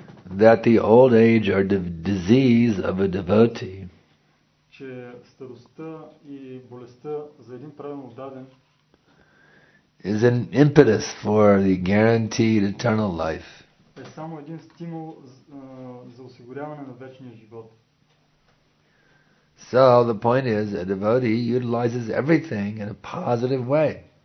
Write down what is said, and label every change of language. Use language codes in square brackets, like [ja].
[en] That the old age or the disease of a devotee, [bg] че старостта и болестта за един правилно даден, [en] is an impetus for the guaranteed eternal life. [bg] Е само един стимул за осигуряване на вечния живот. [en] So the point is, a devotee utilizes everything in a positive way.